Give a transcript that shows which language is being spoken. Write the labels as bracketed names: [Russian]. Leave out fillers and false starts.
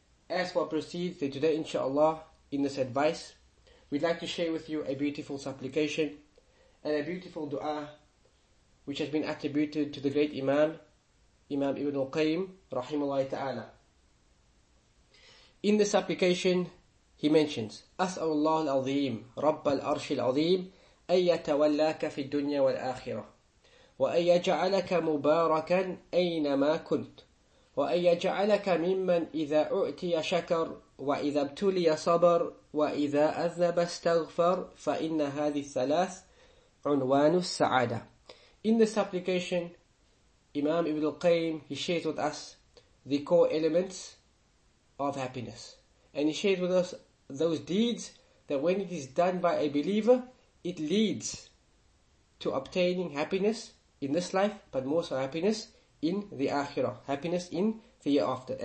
[English] As what proceeds today, inshaAllah, in this advice, we'd like to share with you a beautiful supplication and a beautiful dua which has been attributed to the great Imam, Imam Ibn al-Qayyim, rahimahullah ta'ala. [Arabic] In the supplication, he mentions, أسأل الله العظيم رب الأرش العظيم أن يتولاك في الدنيا والآخرة وأن يجعلك مباركا أينما كنت وأن يجعلك ممن إذا أعطي شكر وإذا ابتلي صبر وإذا أذنب استغفر فإن هذه الثلاث عنوان السعادة. [English] In the supplication, Imam Ibn al-Qayyim, he shares with us the core elements of happiness. And he shared with us those deeds that when it is done by a believer, it leads to obtaining happiness in this life, but more so happiness in the Akhirah, happiness in the hereafter.